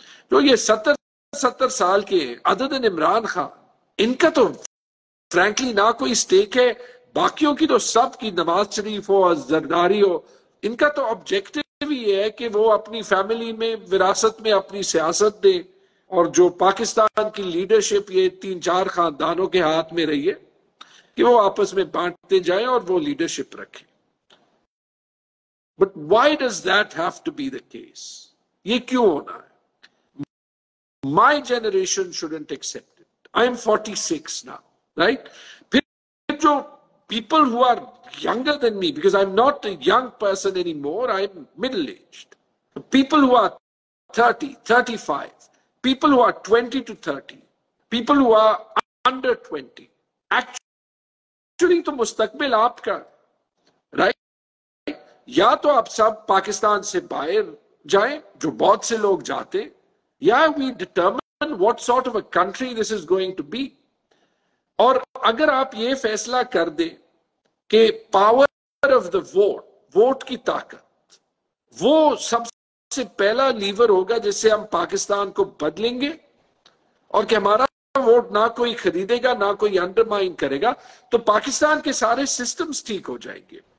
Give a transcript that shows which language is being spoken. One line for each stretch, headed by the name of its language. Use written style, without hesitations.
Urdu: तो ये 70 साल के अदद इमरान खान, इनका तो फ्रेंकली ना कोई स्टेक है, बाकियों की तो सब की, नवाज शरीफ हो, जरदारी हो, इनका तो ऑब्जेक्टिव بھی یہ ہے کہ وہ اپنی فیملی میں وراثت میں اپنی سیاست دے اور جو پاکستان کی لیڈرشپ یہ تین چار خاندانوں کے ہاتھ میں رہی ہے کہ وہ آپس میں بانٹتے جائیں اور وہ لیڈرشپ رکھیں.
English: But why does that have to be the case?
Urdu: یہ کیوں ہونا ہے؟
English: My generation shouldn't accept it. I am 46 now, right?
Urdu: پھر جو
English: people who are younger than me, because I'm not a young person anymore, I'm middle-aged. People who are 30, 35, people who are 20 to 30, people who are under 20, actually
Urdu: تو مستقبل آپ کا,
English: right?
Urdu: یا تو آپ سب پاکستان سے باہر جائیں جو بہت سے لوگ جاتے, یا
English: We determine what sort of a country this is going to be.
Urdu: اور اگر آپ یہ فیصلہ کر دیں کہ power of the vote, vote کی طاقت, وہ سب سے پہلا لیور ہوگا جس سے ہم پاکستان کو بدلیں گے, اور کہ ہمارا ووٹ نہ کوئی خریدے گا نہ کوئی انڈر مائن کرے گا, تو پاکستان کے سارے سسٹمز ٹھیک ہو جائیں گے.